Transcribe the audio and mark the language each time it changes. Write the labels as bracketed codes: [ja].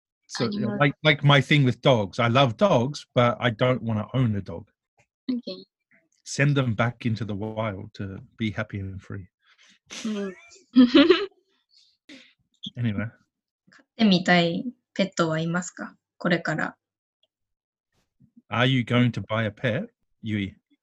[en] So, like my thing with dogs, I love dogs, but I don't want to own a dog. Okay. Send them back into the wild to be happy and free. Anyway. [ja] 飼ってみたいペットはいますか？これから。 [en] Are you going to buy a pet, Yui?